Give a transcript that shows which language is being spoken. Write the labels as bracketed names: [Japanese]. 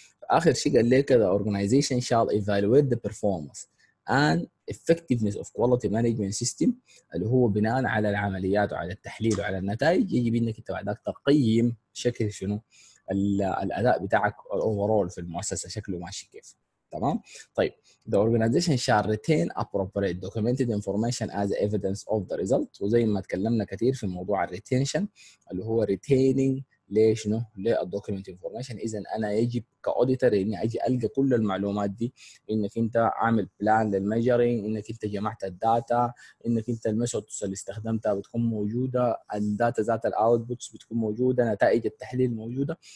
[Arabic] اخر شيء قال لك [English] the organization shall evaluate the performance and effectiveness of quality management system, [Arabic] اللي هو بناء على العمليات وعلى التحليل وعلى النتائج، يجب انك انت بعدك تقيم شكل شنو الاداء بتاعك الاوفرول في المؤسسه شكله ماشي كيف. تمام. طيب [English] the organization shall retain appropriate documented information as evidence of the result. [Arabic] وزي ما تكلمنا كثير في موضوع الريتينشن اللي هو retaining ليش نو ليه الدوكيمنت انفورميشن. اذا انا يجب كاوديتر اني اجي القى كل المعلومات دي, انك انت عامل بلان للميجرينج, انك انت جمعت الداتا, انك انت الميثودز اللي استخدمتها بتكون موجوده, الداتا ذات الاوتبوتس بتكون موجوده, نتائج التحليل موجوده.